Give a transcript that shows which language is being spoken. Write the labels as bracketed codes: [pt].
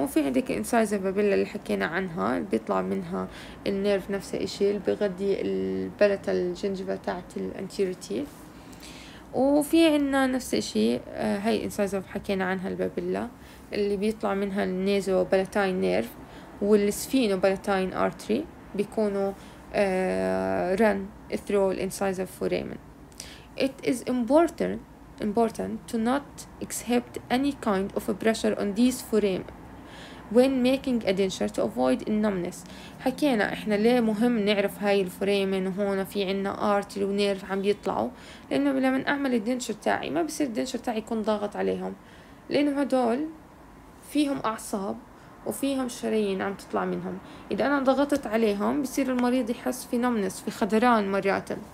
[ar] وفي عندك انسايزابابيلا اللي حكينا عنها بيطلع منها النيرف نفس الشيء اللي بغذي البلاتال جنجفا تاعت الانتيريتي. وفي عنا نفس الشيء هاي انسايزر حكينا عنها البابيلا اللي بيطلع منها النيزو بالاتاين نيرف والسفينو بالاتاين ارتري بيكونوا ران ثرو الانسايزر فوريمن. [en] It is important to not accept any kind of pressure on these foramen when making a denture to avoid numbness. [ar] حكينا احنا ليه مهم نعرف هاي الفوريمن وهون في عنا ارتل ونيرف عم بيطلعوا، لانه لما اعمل الدنشر تاعي ما بصير الدنشر تاعي يكون ضاغط عليهم، لانه هدول فيهم اعصاب وفيهم شرايين عم تطلع منهم، اذا انا ضغطت عليهم بصير المريض يحس في نمنس في خدران مرات.